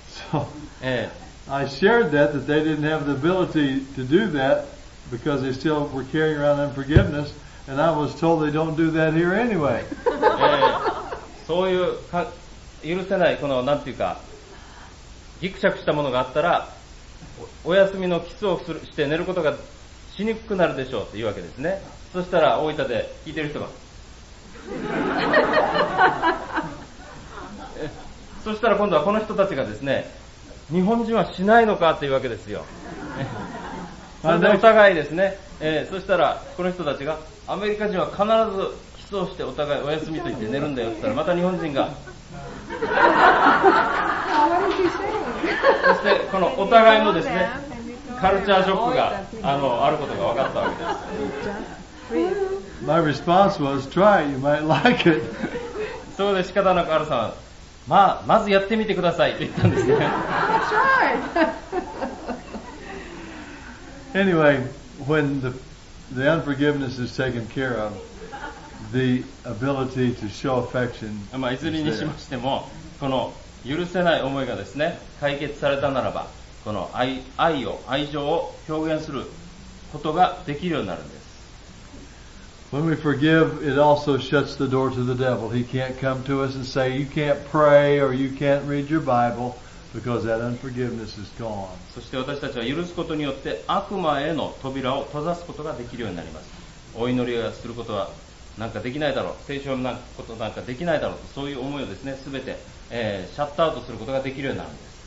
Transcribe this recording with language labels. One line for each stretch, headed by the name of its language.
English: So, I shared that they didn't have the ability to do that because they still were carrying around unforgiveness. And I was told they don't do that here anyway.
Japanese: そういう許せないこのなんていうかギクシャクしたものがあったら お休みのキスをするして寝ることがしにくくなるでしょうというわけですね。そしたら大分で聞いてる人が、そしたら今度はこの人たちがですね、日本人はしないのかというわけですよ。それでお互いですね、そしたらこの人たちが、アメリカ人は必ずキスをしてお互いお休みと言って寝るんだよって言ったら、また日本人が、そしてこのお互いのですね、カルチャーショックが あることが分かったわけです。
English: My response was, try, you might like it.
Japanese: そこで仕方なくアルさん、まずやってみてくださいと言ったんですね。
English: Try. Anyway, when the unforgiveness is taken care of, the ability to show affection.
Japanese: まあいずれにしましても、この許せない思いがですね、解決されたならば、この愛を、愛情を表現することができるようになるんです。
English: When we forgive, it also shuts the door to the devil. He can't come to us and say, you can't pray or you can't read your Bible because that unforgiveness is gone.
Japanese: そして私たちは許すことによって悪魔への扉を閉ざすことができるようになります。お祈りをすることはなんかできないだろう、聖書を読むことなんかできないだろう、そういう思いをですね、すべて、シャットアウトすることができるようになるんです。